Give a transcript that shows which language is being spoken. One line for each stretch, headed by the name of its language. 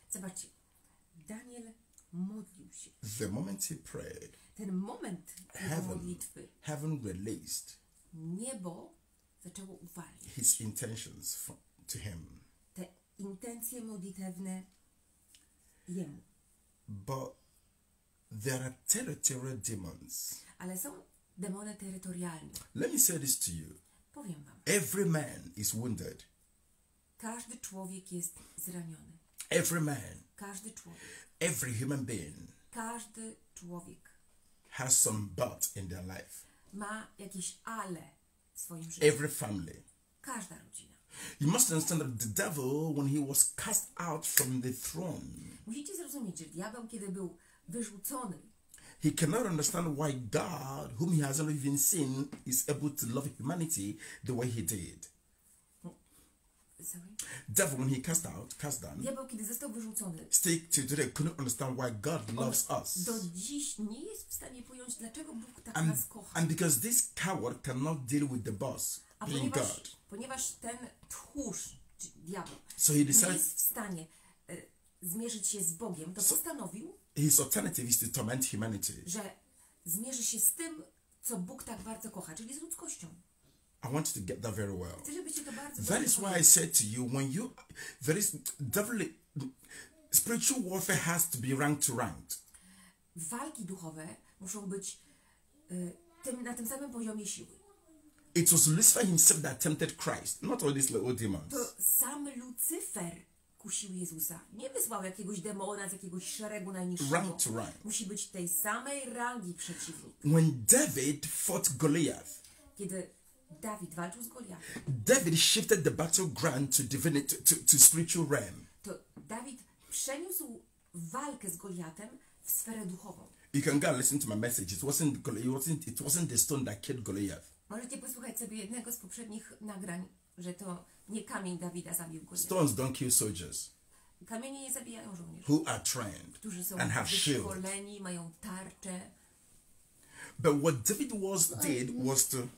Polish: Zobaczcie. Daniel modlił się.
English: The moment he prayed,
Polish: ten moment modlitwy,
English: heaven released,
Polish: niebo zaczęło uwalniać
English: his intentions to him,
Polish: te intencje modlitewne jemu.
English: But there are territorial demons.
Polish: Ale są demony terytorialne.
English: Let me say this to you.
Polish: Powiem wam.
English: Every man is wounded.
Polish: Każdy człowiek jest zraniony.
English: Every man.
Polish: Każdy człowiek.
English: Every human being.
Polish: Każdy człowiek.
English: Has some but in their life.
Polish: Ma jakieś ale w swoim życiu.
English: Every family.
Polish: Każda rodzina.
English: You must understand that the devil, when he was cast out from the throne.
Polish: Musicie zrozumieć, że diabeł, kiedy był wyrzucony.
English: He cannot understand why God, whom he hasn't even seen, is able to love humanity the way he did. Devil, when he cast down.
Polish: Diabeł, kiedy został wyrzucony.
English: Stick to today, couldn't understand why God loves us.
Polish: Do dziś nie jest w stanie pojąć, dlaczego Bóg tak nas kocha.
English: And because this coward cannot deal with the boss, being God.
Polish: Ponieważ ten tchórz, diabeł,
English: so he decided,
Polish: nie jest w stanie zmierzyć się z Bogiem, to postanowił.
English: His alternative is to torment humanity.
Polish: Że zmierzy się z tym, co Bóg tak bardzo kocha, czyli z ludzkością.
English: I want you to get that very well.
Polish: Chcę, żebyście to bardzo dobrze.
English: That is why I said to you, when you, there is definitely spiritual warfare has to be ranked to ranked.
Polish: Walki duchowe muszą być na tym samym poziomie siły.
English: It was Lucifer himself that tempted Christ, not all these little demons.
Polish: To sam Lucifer kusił Jezusa. Nie wysłał jakiegoś demona z jakiegoś szeregu najniższego.
English: Ranked to ranked.
Polish: Musi być tej samej rangi przeciwnik.
English: When David fought Goliath.
Polish: Kiedy Dawid walczył z Goliatem.
English: David shifted the battleground to divinity, to spiritual realm.
Polish: To Dawid przeniósł walkę z Goliatem w sferę duchową.
English: You can go and listen to my message. It wasn't the stone that killed Goliath.
Polish: Możecie posłuchać sobie jednego z poprzednich nagrań, że to nie kamień Dawida zabił Goliata.
English: Stones don't kill soldiers. Kamienie nie zabijają żołnierzy. Who are trained and have shields.
Polish: Którzy są wyszkoleni, mają tarcze.
English: But what David was did was to.